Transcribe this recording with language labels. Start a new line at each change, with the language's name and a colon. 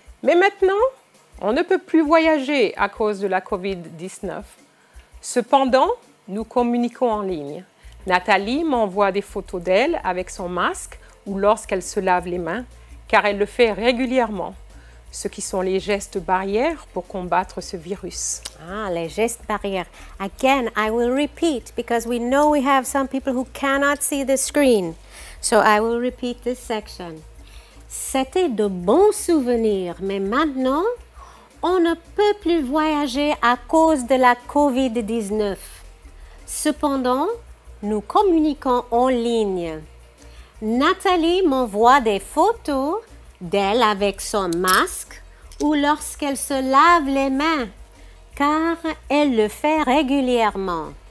French: Mais maintenant, on ne peut plus voyager à cause de la COVID-19. Cependant, nous communiquons en ligne. Nathalie m'envoie des photos d'elle avec son masque ou lorsqu'elle se lave les mains, car elle le fait régulièrement. Ce qui sont les gestes barrières pour combattre ce virus. Ah, les gestes barrières.
English: Again, I will repeat because we know we have some people who cannot see the screen. So I will repeat this section.
French: C'était de bons souvenirs, mais maintenant, on ne peut plus voyager à cause de la COVID-19. Cependant, nous communiquons en ligne. Nathalie m'envoie des photos d'elle avec son masque ou lorsqu'elle se lave les mains, car elle le fait régulièrement.